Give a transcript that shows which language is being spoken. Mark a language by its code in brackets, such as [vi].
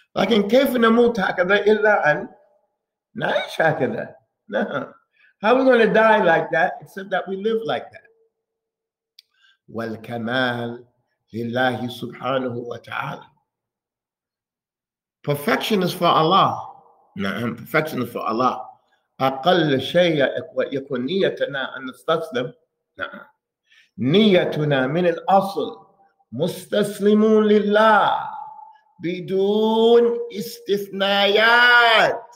[en] Like in [ar] كيف نموت هكذا إلا أن نعيش هكذا. [en] How are we going to die like that except that we live like that? [ar] والكمال لله سبحانه وتعالى. [en] Perfection is for Allah. نعم. Perfection is for Allah. [ar] أقل شيء يكون نيتنا أن نستسلم. نعم. نيتنا من الأصل. مستسلمون لله بدون استثناءات